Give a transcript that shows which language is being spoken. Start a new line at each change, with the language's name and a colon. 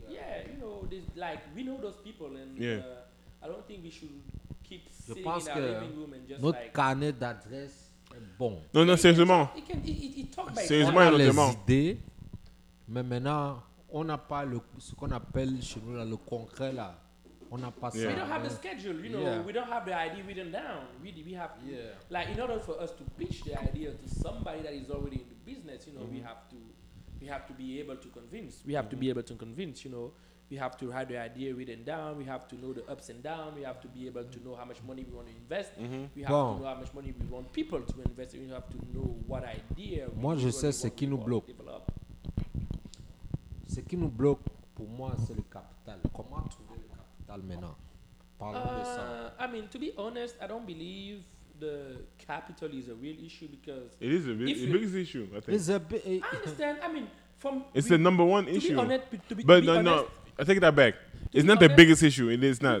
English: Yeah, you know, this like we know those people, and yeah. I don't think we should keep sitting in our living room and just
French: notre
English: like.
French: Notre carnet d'adresse est bon. Non, non, sérieusement.
English: Il talk about
French: les idées, mais maintenant on n'a pas ce qu'on appelle chez nous là, le concret là. On a pas
English: We don't have the schedule, you know. Yeah. We don't have the idea written down. We have to, yeah. Like, in order for us to pitch the idea to somebody that is already in the business, you know, mm-hmm. we have to be able to convince. We have mm-hmm. to be able to convince, you know. We have to have the idea written down. We have to know the ups and downs. We have to be able to know how much money we want to invest. Mm-hmm. We have to know how much money we want people to invest. We have to know what idea.
French: Moi, je sais ce qui nous bloque. Ce qui nous bloque pour moi, c'est le capital. Comment trouver le capital?
English: I mean, to be honest, I don't believe the capital is a real issue because it is a big issue. I think it's a big. I understand. I mean, from it's the number one issue. To be honest, I take that back. It's not honest, the biggest issue. It is not.